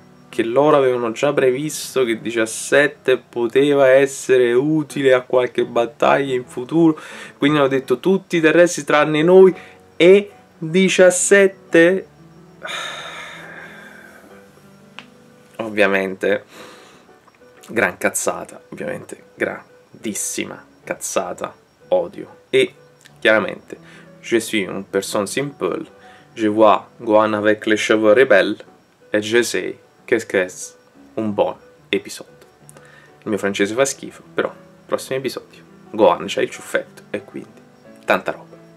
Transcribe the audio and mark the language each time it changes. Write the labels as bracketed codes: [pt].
[it] che loro avevano già previsto che 17 poteva essere utile a qualche battaglia in futuro. Quindi hanno detto tutti i terrestri tranne noi e 17. Ovviamente, gran cazzata. Ovviamente, grandissima cazzata. Odio. E chiaramente, [fr] je suis une personne simple. Je vois Gohan avec les cheveux rebelles. Et je sais. [it] Che è un buon episodio. Il mio francese fa schifo, però prossimo episodio. Gohan c'ha il ciuffetto e quindi tanta roba.